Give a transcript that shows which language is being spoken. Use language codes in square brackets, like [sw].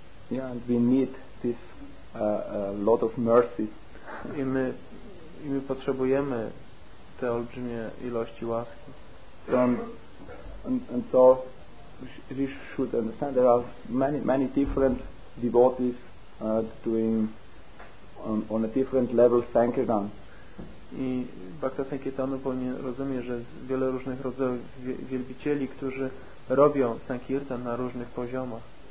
[en] And we need this lot of mercy. [pl] I my potrzebujemy te olbrzymie ilości łaski. [en] And so we should understand there are many different devotees doing on a different level Sankirtan. [pl] I Bhakta Sankirtanu powinien rozumieć, że jest wiele różnych rodzajów wielbicieli, którzy robią Sankirtan na różnych poziomach.